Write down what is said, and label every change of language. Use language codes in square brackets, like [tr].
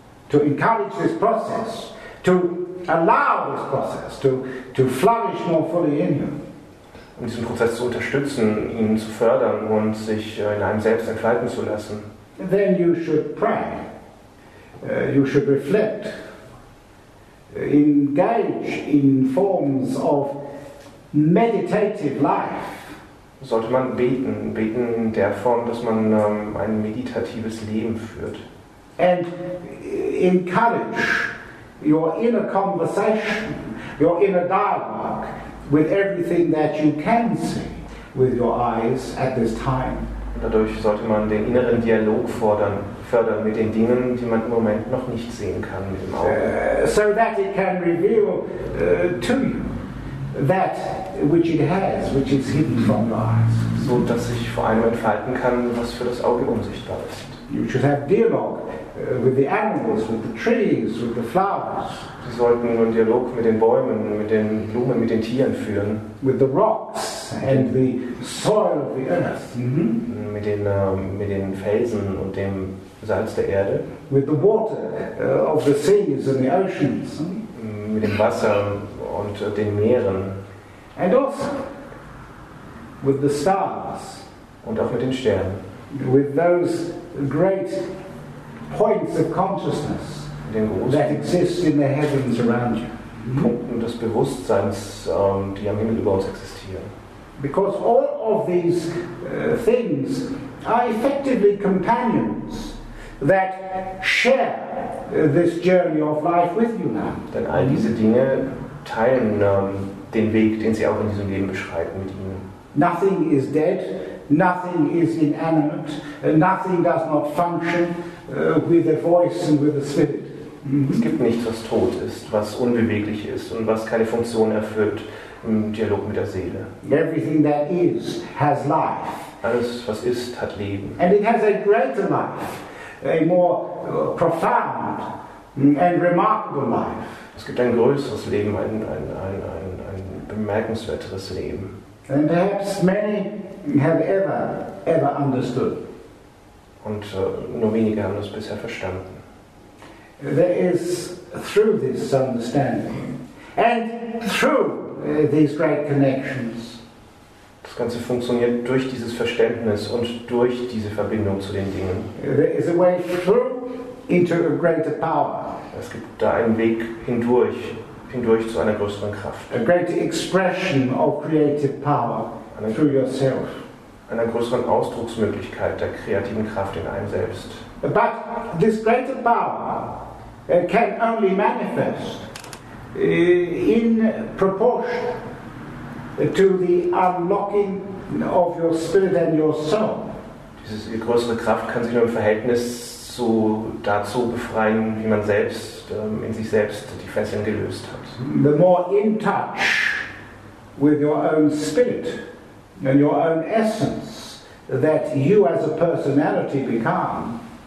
[en] To encourage this process, to allow this process to flourish more fully in you. [de] Um diesen Prozess zu unterstützen, ihn zu fördern und sich in einem selbst entfalten zu lassen. [en] Then you should pray. You should reflect. Engage in forms of meditative life. [de] Sollte man beten, beten in der Form, dass man ein meditatives Leben führt. [en] And encourage your inner conversation, your inner dialogue with everything that you can see with your eyes at this time. [de] Dadurch sollte man den inneren Dialog fördern mit den Dingen, die man im Moment noch nicht sehen kann mit dem Auge. [en] So that it can reveal to you that which it has, which is hidden from your eyes. [de] So dass sich vor einem entfalten kann, was für das Auge unsichtbar ist. [en] You should have dialogue with the animals, with the trees, with the flowers. [de] Sie sollten einen Dialog mit den Bäumen, mit den Blumen, mit den Tieren führen. [en] With the rocks and the soil of the earth. [de] Mit den Felsen und dem Salz der Erde. [en] With the water of the seas and the oceans. [de] Mit dem Wasser und den Meeren. [en] And also with the stars. [de] Und auch mit den Sternen. [en] With those great points of consciousness that exist in the heavens around you. [de] Punkten des Bewusstseins, die am Himmel über uns existieren. [en] Because all of these things are effectively companions that share this journey of life with you now. [de] Denn all diese Dinge teilen den Weg, den sie auch in diesem Leben beschreiten, mit ihnen. [en] Nothing is dead, nothing is inanimate, nothing does not function with a voice and with a spirit. [de] Es gibt nichts, was tot ist, was unbeweglich ist und was keine Funktion erfüllt im Dialog mit der Seele. [en] Everything that is has life. [de] Alles, was ist, hat Leben. [en] And it has a greater life, a more profound and remarkable life. [de] Es gibt ein größeres Leben, ein bemerkenswerteres Leben. [en] And perhaps many have ever understood. [de] Und nur wenige haben das bisher verstanden. [en] There is through this understanding and through these great connections. [de] Das Ganze funktioniert durch dieses Verständnis und durch diese Verbindung zu den Dingen. [en] There is a way through into a greater power. [de] Es gibt da einen Weg hindurch zu einer größeren Kraft. [en] A greater expression of creative power through yourself. [de] Einer größeren Ausdrucksmöglichkeit der kreativen Kraft in einem selbst. [en] But this greater power can only manifest in proportion to the unlocking of your spirit and your soul. [de] Diese größere Kraft kann sich nur im Verhältnis dazu befreien, wie man selbst in sich selbst die Fesseln gelöst hat. [en] The more in touch with your own spirit and your own essence that you as a personality become.